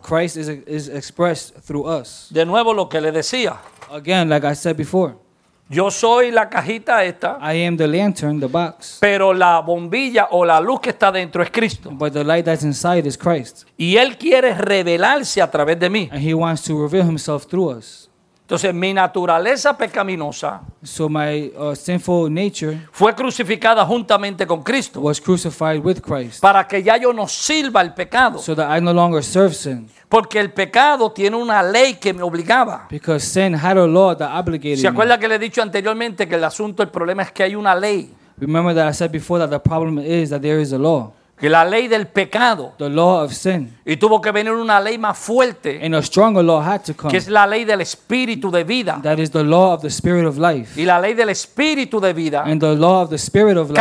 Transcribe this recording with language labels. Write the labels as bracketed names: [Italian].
[English] Christ is expressed through us. [Spanish] De nuevo, lo que le decía. [English] Again, like I said before. [Spanish] Yo soy la cajita esta. [English] I am the lantern, the box. [Spanish] Pero la bombilla o la luz que está dentro es Cristo. [English] But the light that's inside is Christ. [Spanish] Y Él quiere revelarse a través de mí. [English] And He wants to reveal Himself through us. [Spanish] Entonces mi naturaleza pecaminosa [English] so my, sinful nature [Spanish] fue crucificada juntamente con Cristo [English] was crucified with Christ. [Spanish] Para que ya yo no sirva al pecado. [English] So that I no longer serve sin. [Spanish] Porque el pecado tiene una ley que me obligaba. [English] Because sin had a law that obligated [Spanish] ¿Se acuerda [English] me? [Spanish] Que le he dicho anteriormente que el asunto, el problema es que hay una ley? [English] Remember that I said before that the problem is that there is a law. [Spanish] Que la ley del pecado. [English] The law of sin. [Spanish] Y tuvo que venir una ley más fuerte. [English] And a stronger law had to come. [Spanish] Que es la ley del espíritu de vida. [English] That is the law of the spirit of life. [Spanish] Y la ley del espíritu de vida. [English] And the law of the spirit of life.